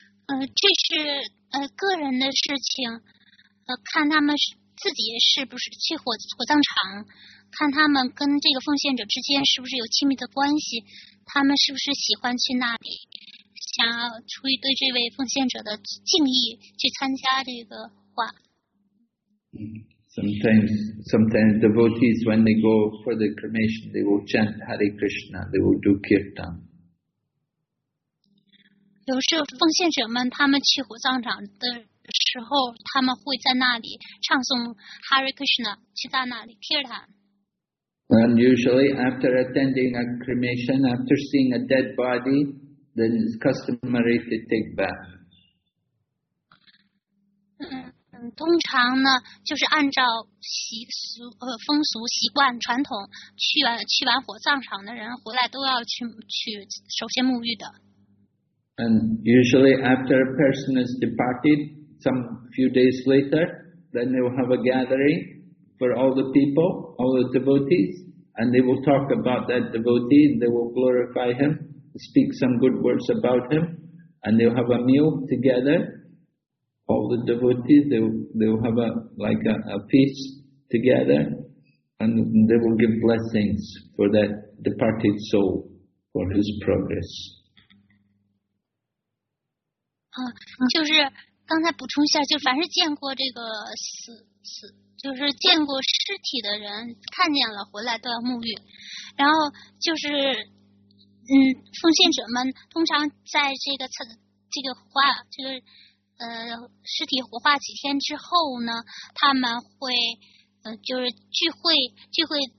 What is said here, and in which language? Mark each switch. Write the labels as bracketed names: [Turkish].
[Chinese] 这是个人的事情，看他们自己是不是去火葬场，看他们跟这个奉献者之间是不是有亲密的关系，他们是不是喜欢去那里，想要出于对这位奉献者的敬意去参加这个话。 [English] Sometimes devotees when they go for the cremation, they will chant Hare Krishna, they will do kirtan. [Chinese] 有时候奉献者们他们去火葬场的时候，他们会在那里唱诵 Hare Krishna， 去在那里 Kirtan。 [English] And usually after attending a cremation, after seeing a dead body, then it's customary to take bath. [Chinese] 通常呢，就是按照习俗、风俗习惯传统，去完火葬场的人回来都要去首先沐浴的。 [English] And usually after a person has departed, some few days later, then they will have a gathering for all the people, all the devotees, and they will talk about that devotee, and they will glorify him, speak some good words about him, and they'll have a meal together, all the devotees, they'll have a feast together, and they will give blessings for that departed soul, for his progress. [Chinese] 就是刚才补充一下，就凡是见过这个死，就是见过尸体的人，看见了回来都要沐浴。然后就是，奉献者们通常在这个尸体火化几天之后呢，他们会就是聚会。